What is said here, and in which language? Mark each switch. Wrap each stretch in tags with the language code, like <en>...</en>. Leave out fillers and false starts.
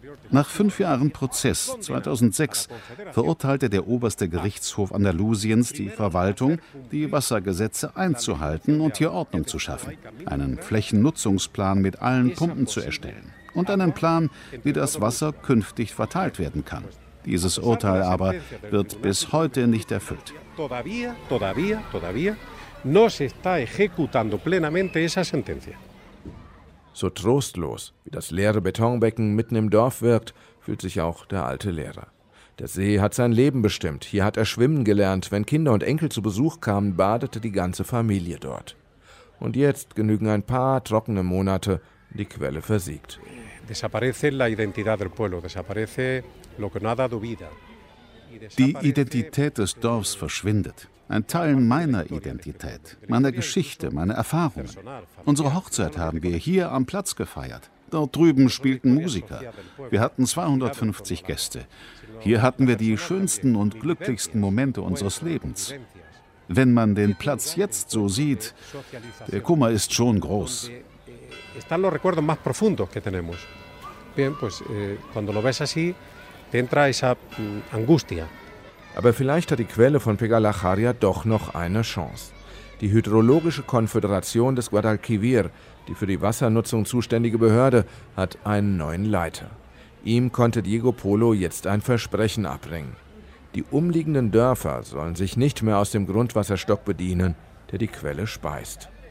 <de>Nach 5 Jahren Prozess, 2006, verurteilte der oberste Gerichtshof Andalusiens die Verwaltung, die Wassergesetze einzuhalten und hier Ordnung zu schaffen, einen Flächennutzungsplan mit allen Pumpen zu erstellen und einen Plan, wie das Wasser künftig verteilt werden kann. Dieses Urteil aber wird bis heute nicht erfüllt.</de> <es>No se está ejecutando plenamente esa sentencia.</es> <de>So trostlos, wie das leere Betonbecken mitten im Dorf wirkt, fühlt sich auch der alte Lehrer. Der See hat sein Leben bestimmt. Hier hat er schwimmen gelernt. Wenn Kinder und Enkel zu Besuch kamen, badete die ganze Familie dort. Und jetzt genügen ein paar trockene Monate, die Quelle versiegt.</de> <es>Desaparece la identidad del pueblo, desaparece lo que no ha dado vida.</es> <de>Die Identität des Dorfs verschwindet. Ein Teil meiner Identität, meiner Geschichte, meiner Erfahrungen. Unsere Hochzeit haben wir hier am Platz gefeiert. Dort drüben spielten Musiker. Wir hatten 250 Gäste. Hier hatten wir die schönsten und glücklichsten Momente unseres Lebens. Wenn man den Platz jetzt so sieht, der Kummer ist schon groß.</de> <es>Están los recuerdos más profundos que tenemos. Bien, pues cuando lo ves así, te entra esa angustia.</es> <de>Aber vielleicht hat die Quelle von Pegalajar doch noch eine Chance. Die hydrologische Konföderation des Guadalquivir, die für die Wassernutzung zuständige Behörde, hat einen neuen Leiter. Ihm konnte Diego Polo jetzt ein Versprechen abbringen. Die umliegenden Dörfer sollen sich nicht mehr aus dem Grundwasserstock bedienen, der die Quelle speist.</de>